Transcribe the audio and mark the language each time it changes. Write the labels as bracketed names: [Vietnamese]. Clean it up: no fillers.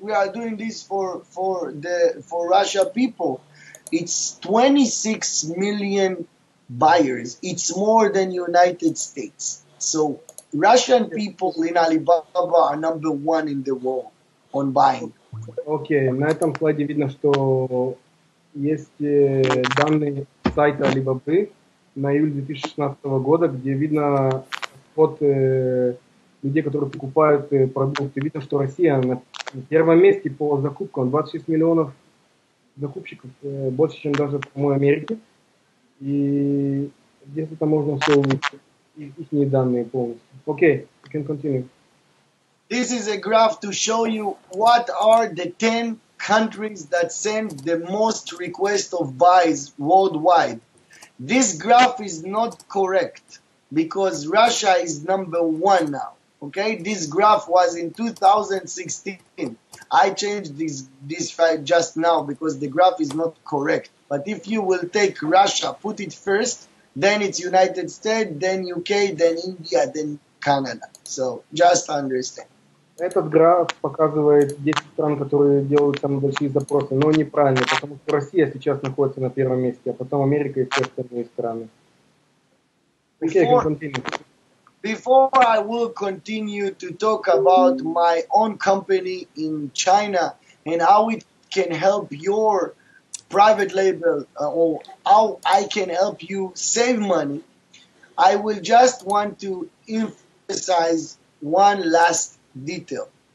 [English] We are doing this for Russia people. It's 26 million buyers. It's more than United States. So Russian people in Alibaba are number one in the world on buying. [Russian] Окей, на этом слайде видно, что есть данные сайта Alibaba на июль 2016 года, где видно вход людей, которые покупают продукты. Видно, что Россия на первом месте по закупкам, 26 миллионов закупщиков, больше, чем даже, по-моему, Америки. И здесь это можно все увидеть, их данные полностью. [English] Окей, you can continue. This is a graph to show you what are the 10 countries that send the most requests of buys worldwide. This graph is not correct because Russia is number one now. Okay, this graph was in 2016. I changed this file just now because the graph is not correct. But if you will take Russia, put it first, then it's United States, then UK, then India, then Canada. So just understand. [Russian] Этот граф показывает 10 стран, которые делают самые большие запросы, но неправильно, потому что Россия сейчас находится на первом месте, а потом Америка и все остальные страны. [English] Okay, before, before I will continue to talk about my own company in China and how it can help your private label or how I can help you save money, I will just want to emphasize one last detail.